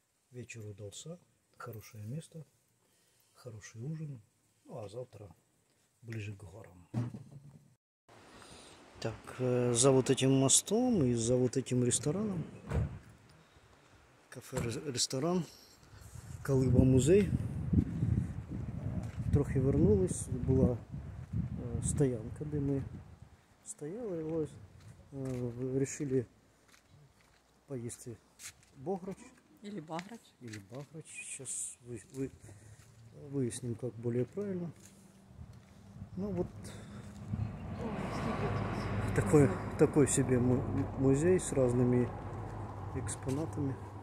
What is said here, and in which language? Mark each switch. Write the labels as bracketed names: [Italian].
[Russian] Вечер удался, хорошее место, хороший ужин. Ну, а завтра ближе к горам. Так, за вот этим мостом и за вот этим рестораном, кафе-ресторан, Калиба музей. [Ukrainian] Трохи вернулись, була стоянка, де ми стояли, і ось вирішили поїсти богрич. [Russian] Или Баграч. Или Баграч. Сейчас вы выясним, как более правильно. Ну вот. Такой себе музей с разными экспонатами.